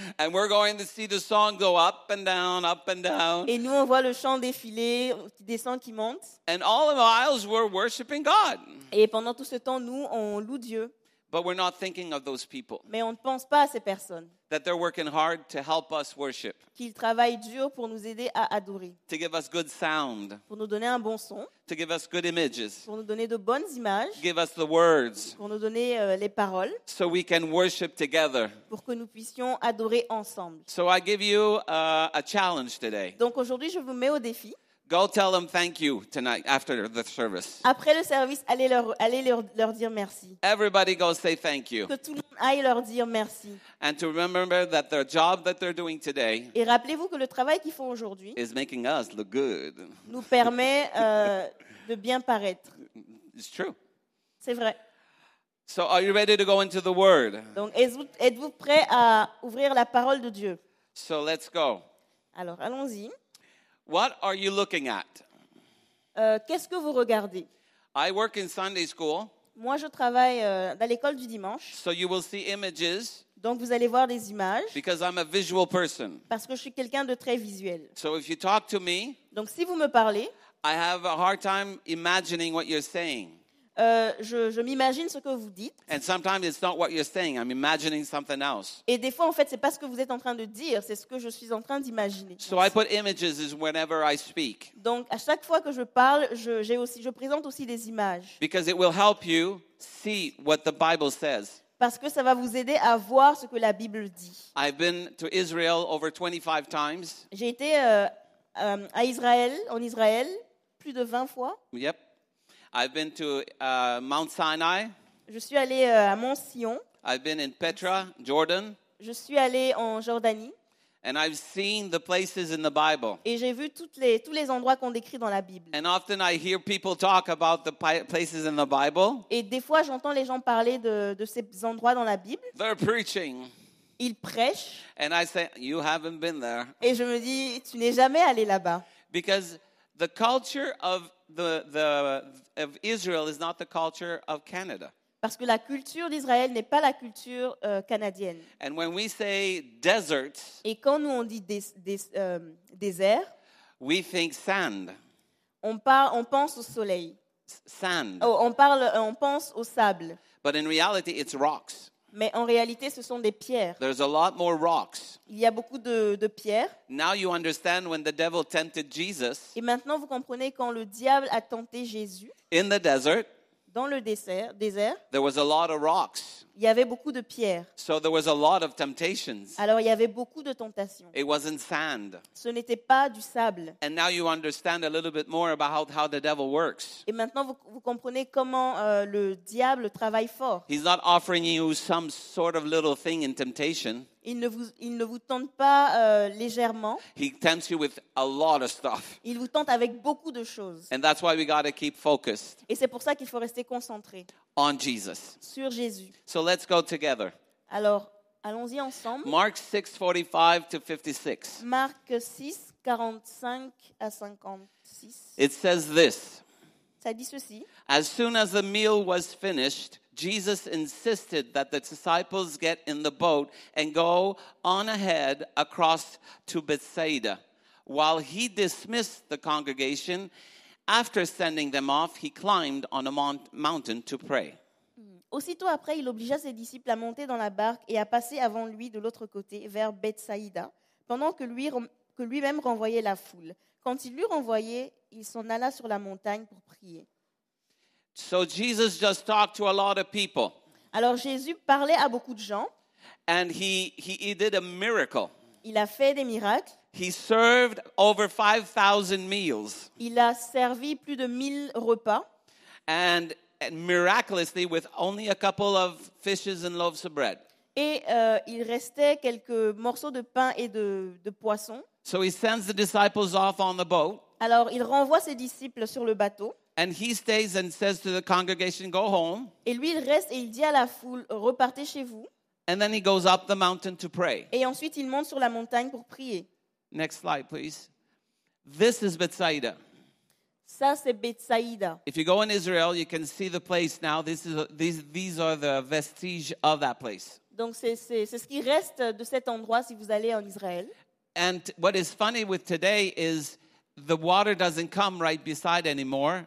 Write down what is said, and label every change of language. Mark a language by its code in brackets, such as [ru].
[en] And we're going to see the song go up and down, up and down. [fr] Et nous on voit le chant défiler, qui descend, qui monte. [en] And all the miles we're worshiping God. [fr] Et pendant tout ce temps, nous on loue Dieu. [en] But we're not thinking of those people. [fr] Mais on ne pense pas à ces personnes. [en] That they're working hard to help us worship. [fr] Qu'ils travaillent dur pour nous aider à adorer. [en] To give us good sound. [fr] Pour nous donner un bon son. [en] To give us good images. [fr] Pour nous donner de bonnes images. [en] Give us the words. [fr] Pour nous donner les paroles. [en] So we can worship together. [fr] Pour que nous puissions adorer ensemble. [en] So I give you a challenge today. [fr] Donc aujourd'hui, je vous mets au défi. [en] Go tell them thank you tonight after the service. [fr] Après le service, allez leur dire merci. [en] Everybody go say thank you. [fr] Que tout le monde aille leur dire merci. [en] And to remember that their job that they're doing today. [fr] Et rappelez-vous que le travail qu'ils font aujourd'hui. [en] Is making us look good. [fr] Nous permet de bien paraître. [en] It's true. [fr] C'est vrai. [en] So are you ready to go into the Word? [fr] Donc êtes-vous prêt à ouvrir la parole de Dieu? [en] So let's go. [fr] Alors allons-y. [en] What are you looking at? [fr] Qu'est-ce que vous regardez? [en] I work in Sunday school. [fr] Moi, je travaille dans l'école du dimanche. [en] So you will see images. [fr] Donc, vous allez voir des images. [en] Because I'm a visual person. [fr] Parce que je suis quelqu'un de très visuel. [en] So if you talk to me. [fr] Donc, si vous me parlez. [en] I have a hard time imagining what you're saying. [fr] je m'imagine ce que vous dites. [en] And sometimes it's not what you're saying. I'm imagining something else. [fr] Et des fois, en fait, c'est pas ce que vous êtes en train de dire, c'est ce que je suis en train d'imaginer. [en] So I put images whenever I speak. [fr] Donc, à chaque fois que je parle, je présente aussi des images. [en] Because it will help you see what the Bible says. [fr] Parce que ça va vous aider à voir ce que la Bible dit. [en] I've been to Israel over 25 times. [fr] J'ai été à Israël, en Israël, plus de 20 fois. [en] Yep. I've been to Mount Sinai. [fr] Je suis allé à Mont Sion. [en] I've been in Petra, Jordan. [fr] Je suis allé en Jordanie. [en] And I've seen the places in the Bible. [fr] Et j'ai vu tous les endroits qu'on décrit dans la Bible. [en] And often I hear people talk about the places in the Bible. [fr] Et des fois j'entends les gens parler de ces endroits dans la Bible. [en] They're preaching. [fr] Ils prêchent. [en] And I say, you haven't been there. [fr] Et je me dis, tu n'es jamais allé là-bas. [en] Because the culture of of Israel is not the culture of Canada. [fr] Parce que la culture d'Israël n'est pas la culture canadienne. [en] And when we say desert, [fr] et quand nous on dit désert, [en] we think sand. [fr] On pense au soleil. [en] Sand. [fr] Oh, on pense au sable. [en] But in reality, it's rocks. [fr] Mais en réalité, ce sont des pierres. [en] There's a lot more rocks. [fr] Il y a beaucoup de pierres. [en] Now you understand when the devil tempted Jesus. [fr] Et maintenant, vous comprenez quand le diable a tenté Jésus. [en] In the desert. [fr] Dans le désert, [en] there was a lot of rocks. [fr] Il y avait beaucoup de pierres. [en] So there was a lot of temptations. [fr] Alors il y avait beaucoup de tentations. [en] It wasn't sand. [fr] Ce n'était pas du sable. [en] And now you understand a little bit more about how the devil works. [fr] Et maintenant vous comprenez comment le diable travaille fort. [en] He's not offering you some sort of little thing in temptation. [fr] Il ne vous tente pas légèrement. [en] He tempts you with a lot of stuff. [fr] Il vous tente avec beaucoup de choses. [en] And that's why we got to keep focused. [fr] Et c'est pour ça qu'il faut rester concentré. [en] On Jesus. [fr] Sur Jésus. [en] So let's go together. [fr] Alors, allons-y ensemble. [en] Mark 6, 45 to 56. [fr] Marc 6, 45 à 56. [en] It says this. [fr] Ça dit ceci. [en] As soon as the meal was finished, Jesus insisted that the disciples get in the boat and go on ahead across to Bethsaida. While he dismissed the congregation, after sending them off, he climbed on a mountain to pray. [fr] Aussitôt après, il obligea ses disciples à monter dans la barque et à passer avant lui de l'autre côté, vers Bethsaïda, pendant que lui-même renvoyait la foule. Quand il l'eut renvoyé, il s'en alla sur la montagne pour prier. [en] So Jesus just talked to a lot of people. [fr] Alors Jésus parlait à beaucoup de gens. [en] And he did a miracle. [fr] Il a fait des miracles. [en] He served over 5,000 meals. [fr] Il a servi plus de 1,000 repas. [en] And miraculously, with only a couple of fishes and loaves of bread. [fr] Et il restait quelques morceaux de pain et de poisson. [en] So he sends the disciples off on the boat. [fr] Alors il renvoie ses disciples sur le bateau. [en] And he stays and says to the congregation, "Go home." [fr] Et lui il reste et il dit à la foule, repartez chez vous. [en] And then he goes up the mountain to pray. [fr] Et ensuite il monte sur la montagne pour prier. [en] Next slide, please. This is Bethsaida. [fr] Ça, c'est Bethsaïda. [en] If you go in Israel, you can see the place now. These are the vestiges of that place. [fr] Donc c'est ce qui reste de cet endroit si vous allez en Israël. [en] And what is funny with today is the water doesn't come right beside anymore.